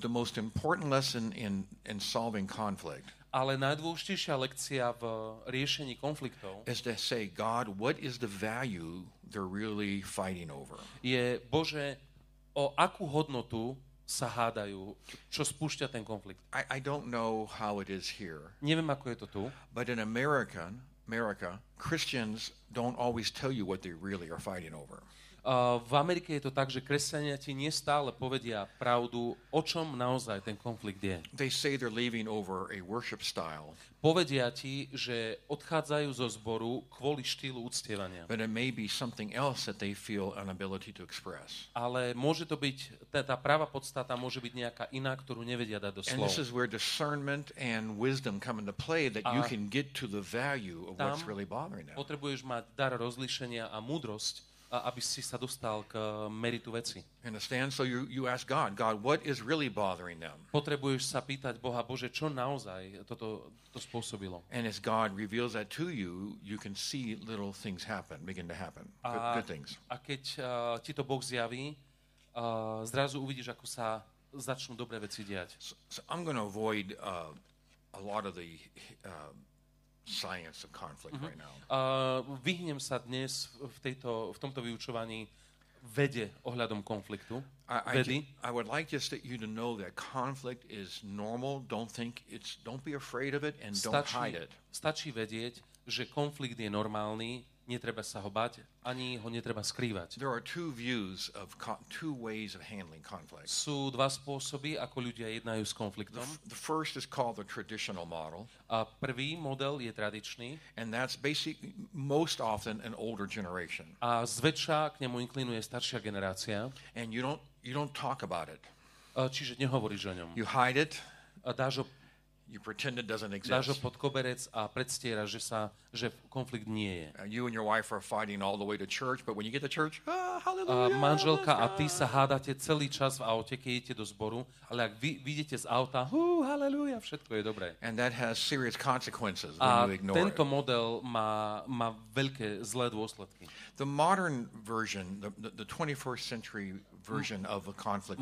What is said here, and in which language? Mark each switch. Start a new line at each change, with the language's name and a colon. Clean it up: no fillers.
English: The most important lesson in solving conflict.
Slovak: Ale najdôležitejšia lekcia v riešení konfliktov.
English: Is to say, God, what is the value they're really fighting over?
Slovak: Je, Bože, o akú hodnotu sa hádajú, čo spúšťa ten konflikt.
English: I don't know how it is here.
Slovak: Neviem, ako je to tu.
English: But in America, Christians don't always tell you what they really are fighting over.
Slovak: V Amerike je to tak, že kresťania ti nestále povedia pravdu, o čom naozaj ten konflikt je.
English: They say they're leaving over a worship style.
Slovak: Povedia ti, že odchádzajú zo zboru kvôli štýlu uctievania.
English: But it may be something else that they feel an ability to express.
Slovak: Ale môže to byť, tá pravá podstata môže byť nejaká iná, ktorú nevedia dať do slov.
English: And this is where discernment and wisdom come into play, that you can get to the value of what's really bothering them.
Slovak: Potrebuješ mať dar rozlíšenia a múdrosť, aby si sa dostal k meritu veci.
English: Understand? So you ask God, what is really bothering them?
Slovak: Potrebuješ sa pýtať Boha, Bože, čo naozaj to spôsobilo?
English: And as God reveals that to you, you can see little things happen, begin to happen. Good things.
Slovak: A keď ti to Boh zjaví, zrazu uvidíš, ako sa začnú dobré veci diať.
English: So I'm going to avoid a lot of the science of conflict right now.
Slovak: Vyhnem sa dnes v tomto vyučovaní vede ohľadom konfliktu.
English: I would like just that you to know that conflict is normal. Don't be afraid of it and don't hide it.
Slovak: Stačí vedieť, že konflikt je normálny, netreba sa ho bať, ani ho netreba skrývať.
English: There are two views of two ways of handling conflict.
Slovak: Sú dva spôsoby, ako ľudia jednajú s konfliktom.
English: The first is called the traditional model.
Slovak: A prvý model je tradičný.
English: And that's basically most often an older generation.
Slovak: A zväčša k nemu inklinuje staršia generácia.
English: And you don't talk about it.
Slovak: Čiže nehovoríš o ňom.
English: You hide it.
Slovak: A dáš ho.
English: You pretend it doesn't exist.
Slovak: Dáš ho pod koberec a predstieraš, že konflikt nie je.
English: You and your wife are fighting all the way to church, but when you get to church, hallelujah.
Slovak: Manželka a ty sa hádate celý čas v aute, keď idete do zboru, ale ak vidíte z auta, hallelujah, všetko je dobré.
English: And that has serious consequences when you ignore it.
Slovak: A tento model má veľké zlé dôsledky.
English: The modern version, the 21st century version of a conflict.